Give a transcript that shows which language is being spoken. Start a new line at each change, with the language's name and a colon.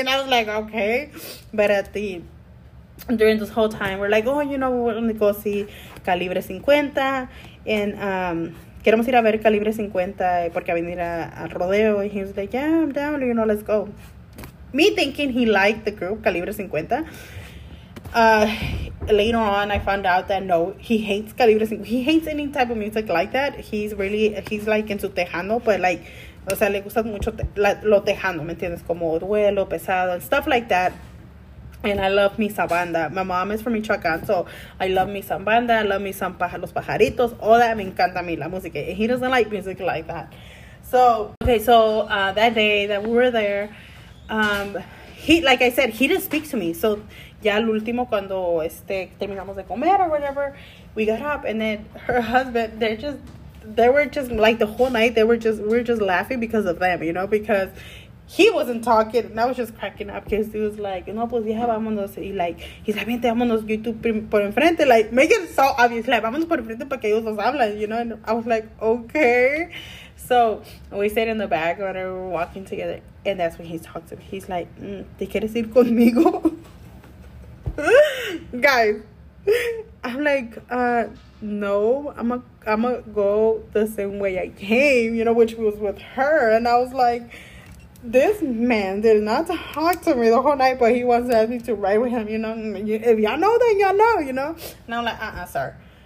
English: And I was like, okay. But during this whole time, we're like, we're gonna go see Calibre 50 and
Spanish: queremos ir a ver Calibre 50 porque va a venir al rodeo.
English: And he was like, yeah, I'm down, let's go. Me thinking he liked the group Calibre 50. Later on, I found out that no, he hates Calibre 50. He hates any type of music like that. He's like into Tejano, but
Spanish: le gusta mucho lo Tejano, ¿me entiendes?
English: Como Duelo, Pesado, and stuff like that. And I love
Spanish: mi sabanda.
English: My mom is from Michoacán, so I love
Spanish: mi sabanda.
English: I love
Spanish: mi sampaja, los pajaritos.
English: All that,
Spanish: me encanta a mí, la música.
English: And he doesn't like music like that. So, okay, so that day that we were there, he didn't speak to me.
Spanish: So, ya al último, cuando terminamos de comer
English: or whatever, we got up. And then her husband, we were just laughing because of them, because he wasn't talking, and I was just cracking up because he was like,
Spanish: no, pues ya, vámonos.
English: Y he's like,
Spanish: vente, vámonos, YouTube por enfrente.
English: Like, make it so obvious.
Spanish: Like, vámonos por enfrente para que ellos nos hablen,
English: And I was like, okay. So we sat in the back when we were walking together, and that's when he talked to me. He's like,
Spanish: ¿te quieres ir conmigo?
English: Guys, I'm like, no, I'ma go the same way I came, which was with her. And I was like, this man did not talk to me the whole night, but he wants to ask me to ride with him, If y'all know, then y'all know, And I'm like, sir.